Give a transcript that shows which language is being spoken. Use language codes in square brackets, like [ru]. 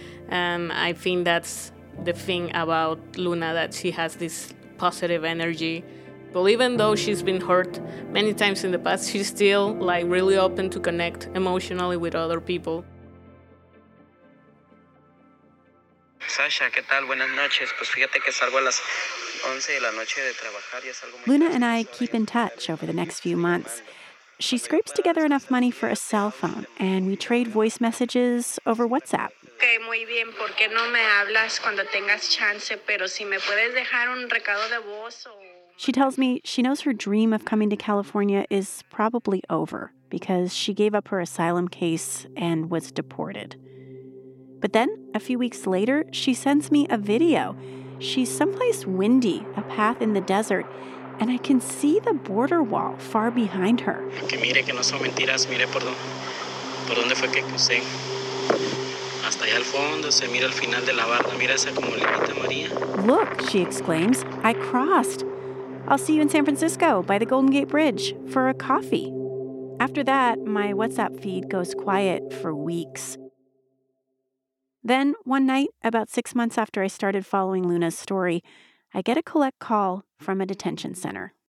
[en] And I think that's the thing about Luna, that she has this positive energy. But even though she's been hurt many times in the past, she's still like really open to connect emotionally with other people. [es] Sasha, ¿qué tal? Buenas noches. Pues fíjate que salgo a las 11 de la noche de trabajar y es algo muy [en] Luna and I keep in touch over the next few months. She scrapes together enough money for a cell phone, and we trade voice messages over WhatsApp. [es] Okay, muy bien. ¿Por qué no me hablas cuando tengas chance? Pero si me puedes dejar un recado de voz o... [en] She tells me she knows her dream of coming to California is probably over because she gave up her asylum case and was deported. But then, a few weeks later, she sends me a video. She's someplace windy, a path in the desert, and I can see the border wall far behind her. [es] Que mire que no son mentiras, mire por dónde fue que crucé. Hasta allá al fondo, se mira el final de la barda, mira esa como limita María. [en] Look, she exclaims, I crossed. I'll see you in San Francisco by the Golden Gate Bridge for a coffee. After that, my WhatsApp feed goes quiet for weeks. Then, one night, about 6 months after I started following Luna's story, I get a collect call from a detention center.